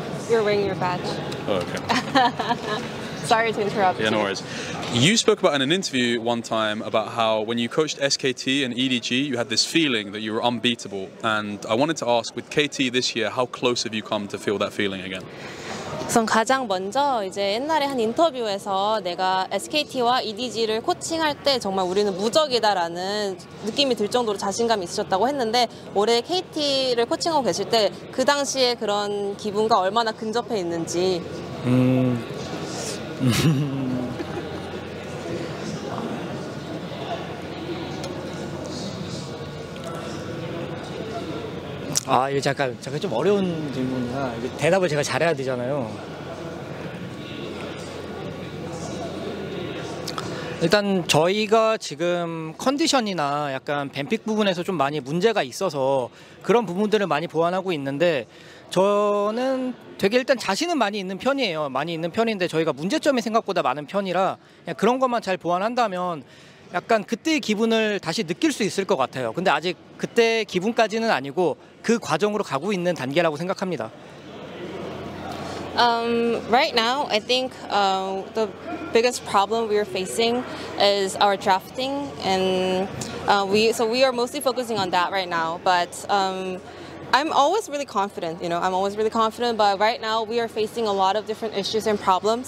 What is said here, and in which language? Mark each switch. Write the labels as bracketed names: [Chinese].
[English] You're wearing your badge. Oh, okay. Sorry to interrupt. Yeah, no worries. You spoke about in an interview one time about how when you coached SKT and EDG, you had this feeling that you were unbeatable. And I wanted to ask, with KT this year, how close have you come to feel that feeling again? [Korean] 우선 가장 먼저 이제 옛날에 한 인터뷰에서 내가 SKT와 EDG를 코칭할 때 정말 우리는 무적이다라는 느낌이 들 정도로 자신감이 있으셨다고 했는데 올해 KT를 코칭하고 계실 때 그 당시에 그런 기분과 얼마나 근접해 있는지 아, 이거 잠깐, 좀 어려운 질문이라 대답을 제가 잘해야 되잖아요. 일단 저희가 지금 컨디션이나 약간 뱀픽 부분에서 좀 많이 문제가 있어서 그런 부분들을 많이 보완하고 있는데 저는 되게 일단 자신은 많이 있는 편이에요. 많이 있는 편인데 저희가 문제점이 생각보다 많은 편이라 그냥 그런 것만 잘 보완한다면 약간 그때의 기분을 다시 느낄 수 있을 것 같아요. 근데 아직 그때의 기분까지는 아니고 그 과정으로 가고 있는 단계라고 생각합니다. [English] Right now, I think the biggest problem we are facing is our drafting, and we are mostly focusing on that right now. But I'm always really confident, you know, But right now, we are facing a lot of different issues and problems.